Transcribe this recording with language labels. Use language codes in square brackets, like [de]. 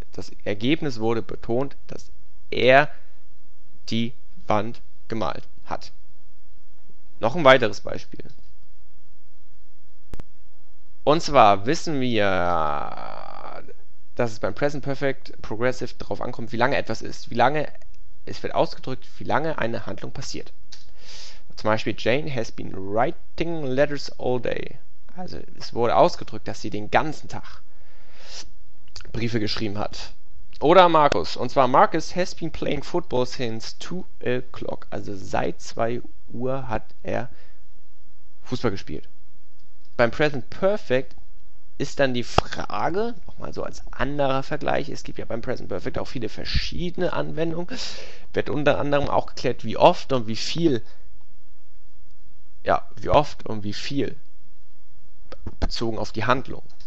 [de] Das Ergebnis wurde betont, dass er die Wand gemalt hat. Noch ein weiteres Beispiel. Und zwar wissen wir, dass es beim Present Perfect Progressive darauf ankommt, wie lange etwas ist. Wie lange, es wird ausgedrückt, wie lange eine Handlung passiert. Zum Beispiel, [en] Jane has been writing letters all day. [de] Also es wurde ausgedrückt, dass sie den ganzen Tag Briefe geschrieben hat. Oder Markus. Und zwar, [en] Markus has been playing football since 2 o'clock. [de] Also seit 2 Uhr hat er Fußball gespielt. Beim Present Perfect ist dann die Frage, nochmal so als anderer Vergleich, es gibt ja beim Present Perfect auch viele verschiedene Anwendungen, wird unter anderem auch geklärt, wie oft und wie viel, ja, wie oft und wie viel, bezogen auf die Handlung.